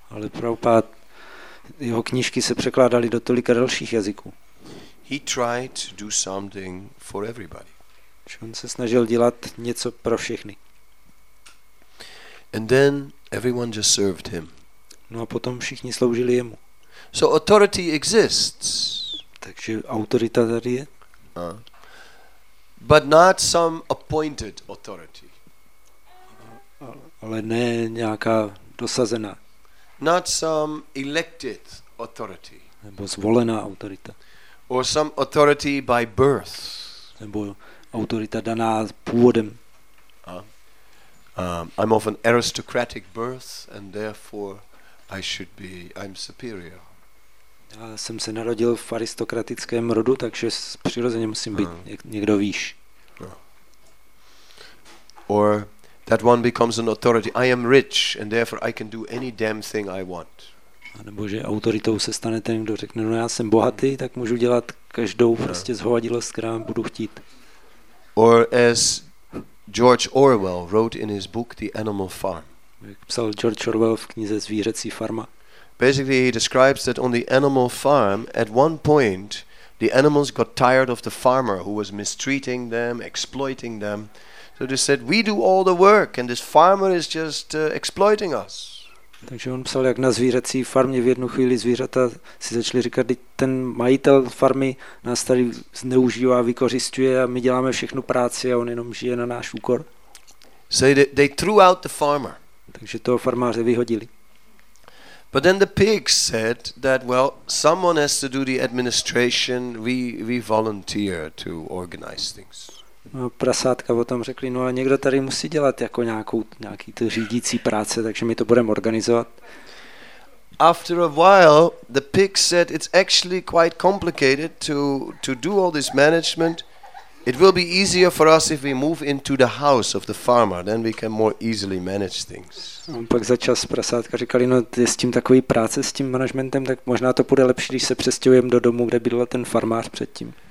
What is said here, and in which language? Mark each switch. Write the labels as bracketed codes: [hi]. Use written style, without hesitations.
[cs] Ale Prabhupada, jeho knížky se překládaly do tolika dalších jazyků. [en] He tried to do something for everybody. [cs] On se snažil dělat něco pro všechny. [en] And then everyone just served him. [cs] No a potom všichni sloužili jemu. [en] So authority exists. [cs] Takže autorita tady je. [en] But not some appointed authority. [cs] Ale ne nějaká dosazená. [en] Not some elected authority. [cs] Nebo zvolená autorita. [en] Or some authority by birth. [cs] Nebo autorita daná původem. [en] I'm of an aristocratic birth and therefore I should be I'm superior. [cs] Já jsem se narodil v aristokratickém rodu, takže přirozeně musím být někdo výš. [en] Or that one becomes an authority. I am rich and therefore I can do any damn thing I want. [cs] A nebo že autoritou se stane ten, kdo řekne, no já jsem bohatý, tak můžu dělat každou prostě zhovadilost, která budu chtít. [en] Or as George Orwell wrote in his book The Animal Farm. [cs] Jak psal George Orwell v knize Zvířecí farma. [en] Basically he describes that on the animal farm at one point the animals got tired of the farmer who was mistreating them, exploiting them. So they said, we do all the work and this farmer is just exploiting us. [cs] Takže on psal, jak na zvířecí farmě v jednu chvíli zvířata si začali říkat, že ten majitel farmy nás tady zneužívá, vykořisťuje a my děláme všechnu práci a on jenom žije na náš úkor. [en] So they threw out the farmer. [cs] Takže toho farmáře vyhodili. [en] But then the pigs said that, well, someone has to do the administration, we volunteer to organize things. [cs] No, prasátka potom řekli, no a někdo tady musí dělat jako nějaký ty řídící práce, takže my to budeme organizovat. [en] After a while, the pigs said it's actually quite complicated to do all this management. It will be easier for us if we move into the house of the farmer, then we can more easily manage things. [cs] No, pak za čas prasátka říkali, no je s tím takový práce s tím managementem, tak možná to bude lepší, když se přestěhujeme do domu, kde bydlel ten farmář předtím.